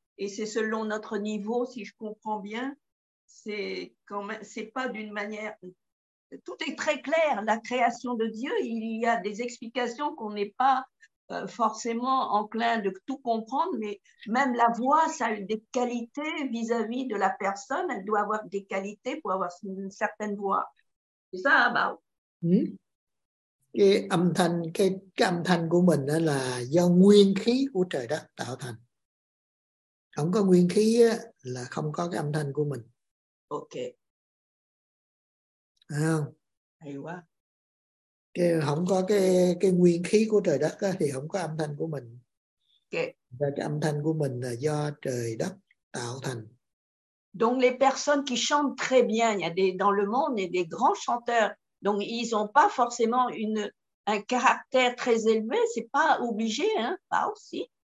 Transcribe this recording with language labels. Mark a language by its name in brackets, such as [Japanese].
[French] Et c'est selon notre niveau, si je comprends bien. C'est quand même, c'est pas d'une manière... Tout est très clair. La création de Dieu, il y a des explications qu'on n'est pas forcément enclin de tout comprendre. Mais même la voix, ça a des qualités vis-à-vis de la personne. Elle doit avoir des qualités pour avoir une certaine voix. [Vietnamese] Cái âm thanh của mình là do nguyên khí của trời đất tạo thành. Không có nguyên khí là không có cái âm thanh của mình. [English] Ok. [Vietnamese] Thấy không? Hay quá. Không có cái nguyên khí của trời đất thì không có âm thanh của mình. [English] Ok. [Vietnamese] Và cái âm thanh của mình là do trời đất tạo thành. [French] Donc les personnes qui chantent très bien, il y a des dans le monde il y a des grands chanteurs. Donc ils ont pas forcément un caractère très élevé, c'est pas obligé hein, pas aussi.